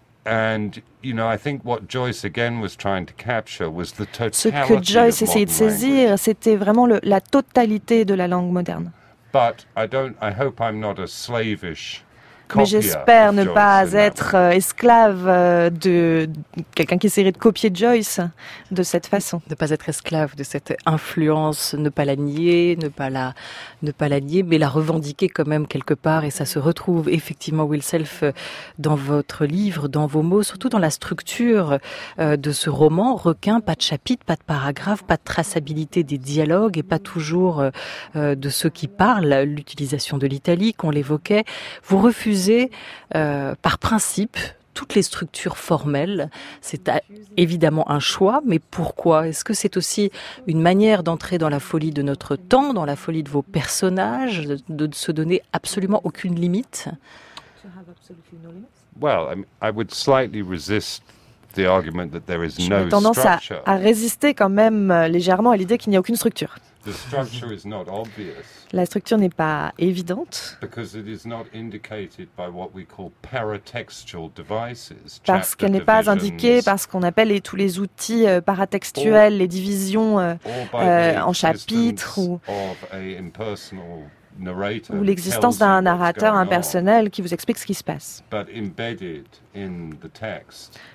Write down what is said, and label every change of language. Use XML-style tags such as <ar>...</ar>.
<en>And you know, I think what Joyce again was trying to capture was the totality of modern language.</en> <fr>Ce que Joyce essayait de saisir, c'était vraiment la totalité de la langue moderne.</fr> <en>But I hope I'm not a slavish</en> <fr>mais j'espère ne pas être esclave de quelqu'un qui essaierait de copier Joyce de cette façon. Ne pas être esclave de cette influence, ne pas la nier, mais la revendiquer quand même quelque part. Et ça se retrouve effectivement, Will Self, dans votre livre, dans vos mots, surtout dans la structure de ce roman. Requin, pas de chapitre, pas de paragraphe, pas de traçabilité des dialogues et pas toujours de ceux qui parlent, l'utilisation de l'italique, on l'évoquait. Vous refusez par principe toutes les structures formelles. C'est évidemment un choix, mais pourquoi ? Est-ce que c'est aussi une manière d'entrer dans la folie de notre temps, dans la folie de vos personnages, de se donner absolument aucune limite ?</fr> <en>Well, I would slightly resist the argument that there is no structure.</en> <fr>J'ai tendance à résister quand même légèrement à l'idée qu'il n'y a aucune structure.</fr> <en>The structure is not obvious.</en> <fr>La structure n'est pas évidente.</fr> <en>Because it is not indicated by what we call paratextual devices.</en> <fr>Parce qu'elle n'est pas indiquée par ce qu'on appelle tous les outils paratextuels, les divisions en chapitres ou</fr> <en>of a impersonal narrator</en> <fr>ou l'existence d'un narrateur impersonnel qui vous explique ce qui se passe.</fr> <en>But embedded in the text.</en>